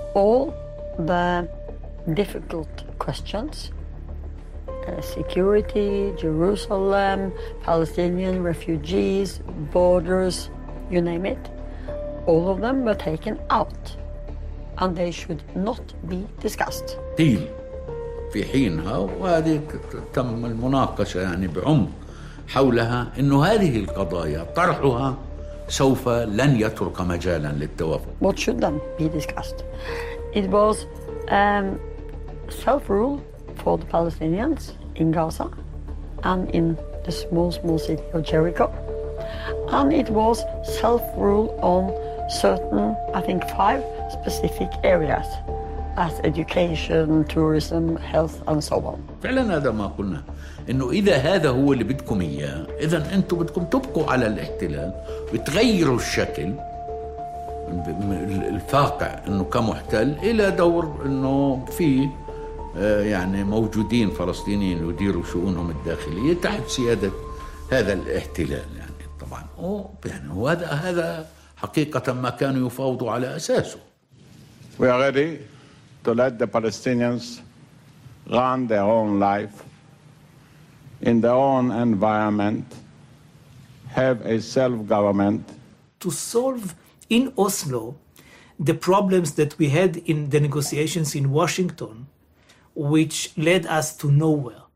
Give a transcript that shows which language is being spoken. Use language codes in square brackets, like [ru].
[en] All the difficult questions, security, Jerusalem, Palestinian refugees, borders, you name it, all of them were taken out. And they should not be discussed. [ar] قيل في حينها وهذه تم المناقشة يعني بعمق حولها إنه هذه القضايا طرحها سوف لن يترك مجالا للتوافق. [en] What should then be discussed? It was self-rule for the Palestinians in Gaza and in the small city of Jericho, and it was self-rule on certain, I think, 5. Specific areas as education, tourism, health, and so on. [ar] فعلا هذا ما قلنا انه اذا هذا هو اللي بدكم اياه اذا انتم بدكم تبقوا على الاحتلال وتغيروا الشكل الفاقع انه كمحتل الى دور انه في يعني موجودين فلسطينيين يديروا شؤونهم الداخليه تحت سياده هذا الاحتلال يعني طبعا يعني هذا حقيقه ما كانوا يفاوضوا على اساسه. [en] We are ready to let the Palestinians run their own life in their own environment, have a self-government. To solve in Oslo the problems that we had in the negotiations in Washington, which led us to nowhere.